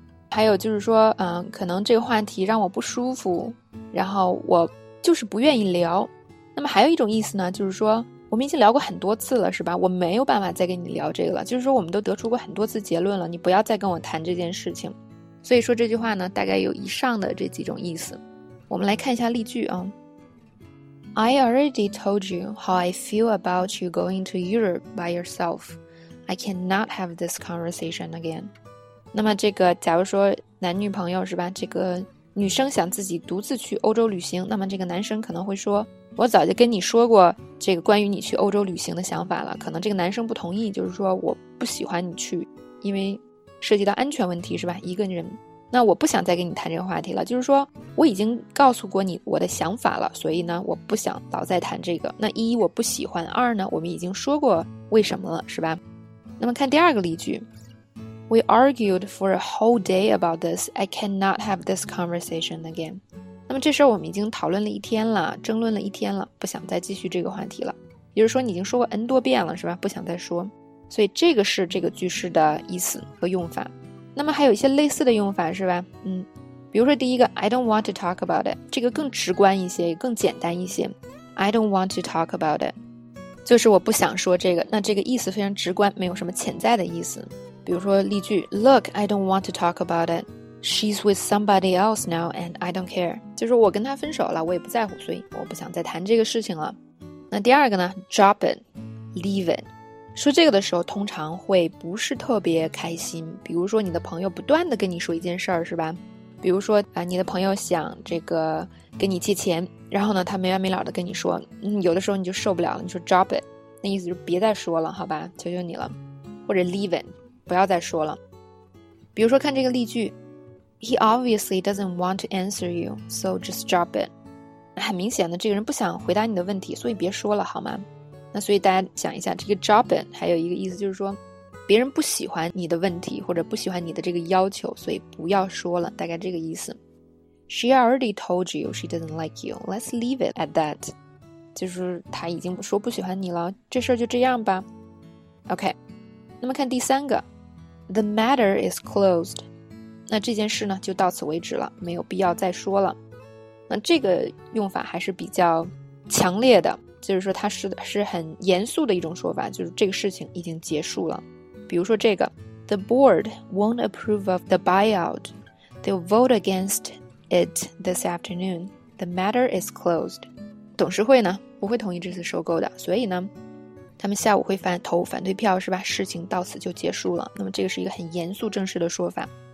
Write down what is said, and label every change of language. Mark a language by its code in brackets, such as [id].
[zh] 还有就是说可能这个话题让我不舒服，然后我就是不愿意聊。那么还有一种意思呢，就是说我们已经聊过很多次了，是吧，我没有办法再跟你聊这个了，就是说我们都得出过很多次结论了，你不要再跟我谈这件事情。所以说这句话呢大概有以上的这几种意思。我们来看一下例句啊。 [en] I already told you how I feel about you going to Europe by yourself. I cannot have this conversation again. [zh] 那么这个假如说男女朋友是吧，这个女生想自己独自去欧洲旅行，那么这个男生可能会说，我早就跟你说过这个关于你去欧洲旅行的想法了，可能这个男生不同意，就是说我不喜欢你去，因为涉及到安全问题是吧，一个人。那我不想再跟你谈这个话题了，就是说我已经告诉过你我的想法了，所以呢我不想老再谈这个。那一我不喜欢，二呢我们已经说过为什么了是吧。那么看第二个例句， [en] We argued for a whole day about this. I cannot have this conversation again. [zh] 那么这事儿我们已经讨论了一天了，争论了一天了，不想再继续这个话题了，也就是说你已经说过 N 多遍了是吧，不想再说。所以这个是这个句式的意思和用法。那么还有一些类似的用法是吧，比如说第一个 [en] I don't want to talk about it， [zh] 这个更直观一些，更简单一些， I don't want to talk about it， 就是我不想说这个，那这个意思非常直观，没有什么潜在的意思。比如说例句， [en] Look I don't want to talk about it， She's with somebody else now and I don't care， [zh] 就是我跟她分手了，我也不在乎，所以我不想再谈这个事情了。那第二个呢， [en] Drop it， Leave it， [zh] 说这个的时候通常会不是特别开心。比如说你的朋友不断地跟你说一件事儿，是吧，比如说你的朋友想这个跟你借钱，然后呢他没完没了地跟你说，有的时候你就受不了了，你说 [en] drop it， [zh] 那意思就别再说了好吧，求求你了，或者 [en] leave it， [zh] 不要再说了。比如说看这个例句， [en] He obviously doesn't want to answer you so just drop it， [zh] 很明显的这个人不想回答你的问题，所以别说了好吗。那所以大家想一下，这个 drop it 还有一个意思就是说别人不喜欢你的问题或者不喜欢你的这个要求，所以不要说了，大概这个意思。 [en] She already told you she doesn't like you. Let's leave it at that. [zh] 就是他已经说不喜欢你了，这事儿就这样吧。 [en] OK， [zh] 那么看第三个， [en] The matter is closed. [zh] 那这件事呢就到此为止了，没有必要再说了。那这个用法还是比较强烈的，就是说它 是很严肃的一种说法，就是这个事情已经结束了。 [en] 比如说这个， The board won't approve of the buyout. They'll vote against it this afternoon. The matter is closed. [zh] 董事会呢不会同意这次收购的，所以呢他们下午会投反对票是吧，事情到此就结束了。那么这个是一个很严肃正式的说法。